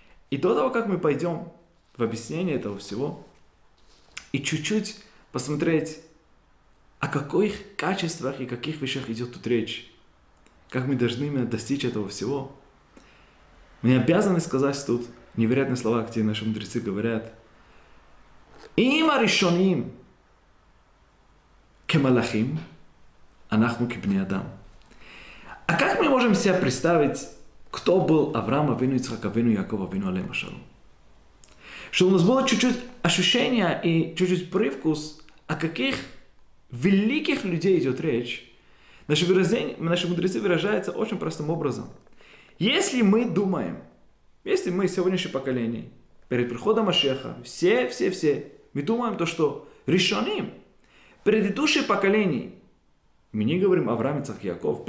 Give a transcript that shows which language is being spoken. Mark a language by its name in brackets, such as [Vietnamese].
[Russian] И до того, как мы пойдем в объяснение этого всего, и чуть-чуть посмотреть, о каких качествах и каких вещах идет тут речь. Как мы должны именно достичь этого всего. Мы обязаны сказать тут невероятные слова, где наши мудрецы говорят, [Hebrew] אם הראשונים כמלאכים, אנחנו כבני אדם. [Russian] А как мы можем себе представить, кто был Авраам, Авину, Ицхак, Авину, Яков, Авину, Алейхим Ассалам? Чтобы у нас было чуть-чуть ощущение и чуть-чуть привкус, о каких великих людей идет речь. Наши мудрецы выражаются очень простым образом. Если мы думаем, если мы сегодняшнее поколение, перед приходом Машиаха, все, мы думаем то, что решоним, предыдущие поколения, мы не говорим о Авраамицах Яков.